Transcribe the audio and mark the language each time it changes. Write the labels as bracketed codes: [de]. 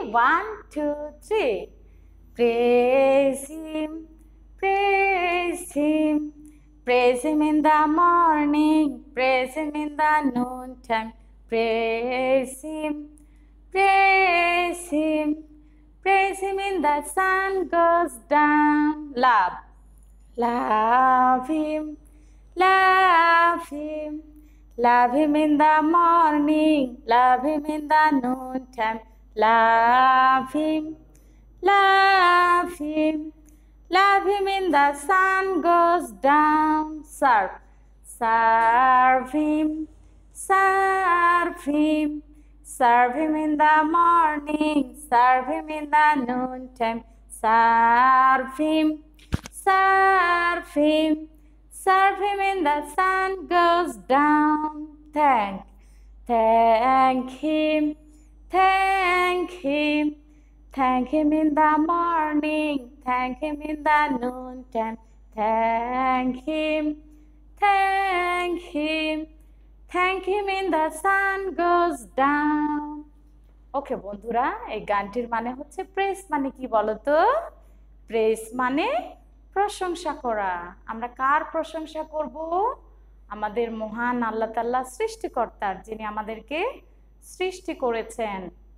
[en] 1 2 3 praise him, praise him, praise him in the morning, praise him in the noon time, praise him, praise him, praise him in the sun goes down. Love Love him, love him, love him in the morning, love him in the noon time, love him, love him, love him in the sun goes down. Serve, serve him, serve him, serve him in the morning, serve him in the noon time, serve him. Serve him, serve him in the sun goes down. Thank, thank him, thank him, thank him in the morning, thank him in the noon time, thank him, thank him, thank him in the sun goes down. [bn] Okay, বন্ধুরা, এই গানটির মানে হচ্ছে press মানে কি বলতো? Press মানে প্রশংসা করা। আমরা কার প্রশংসা করব? আমাদের মহান আল্লাহ তাআলা সৃষ্টিকর্তার, যিনি আমাদেরকে সৃষ্টি করেছেন।